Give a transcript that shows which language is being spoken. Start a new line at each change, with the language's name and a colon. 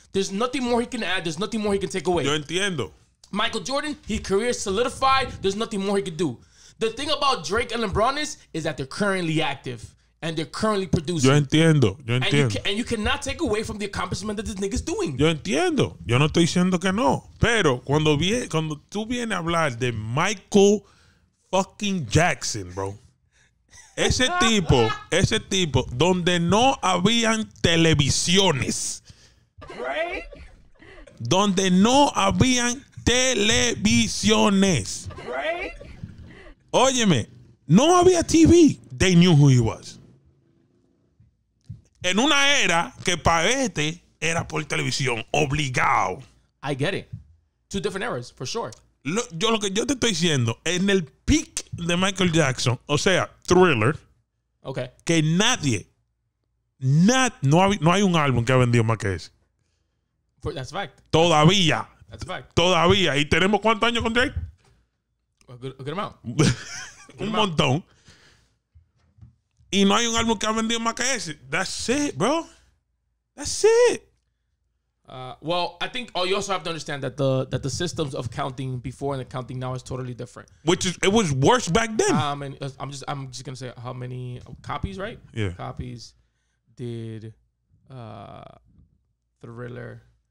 English: There's nothing more he can add. There's nothing more he can take away.
Spanish: Yo entiendo.
English: Michael Jordan, his career is solidified. There's nothing more he can do. The thing about Drake and LeBron is that they're currently active and they're currently producing.
Spanish: Yo entiendo. Yo entiendo.
English: And you cannot take away from the accomplishment that this nigga's doing.
Spanish: Yo entiendo. Yo no estoy diciendo que no. Pero cuando tú vienes a hablar de Michael fucking Jackson, bro. Ese tipo, donde no habían televisiones.
English: Right?
Spanish: Donde no habían televisiones.
English: Right?
Spanish: Óyeme, no había TV.
English: They knew who he was.
Spanish: En una era que para este era por televisión, obligado.
English: I get it. Two different eras, for sure.
Spanish: Lo que yo te estoy diciendo, en el peak de Michael Jackson, o sea, Thriller,
English: okay,
Spanish: que no hay un álbum que ha vendido más que ese.
English: That's a fact.
Spanish: Todavía.
English: That's a fact.
Spanish: Todavía. ¿Y tenemos cuántos años con Drake?
English: A good amount.
Spanish: Un montón. Y no hay un álbum que ha vendido más que ese.
English: That's it, bro. That's it. Well, I think you also have to understand that the systems of counting before and the counting now is totally different. It was worse back then. I'm just gonna say how many copies, right? Yeah. Copies did Thriller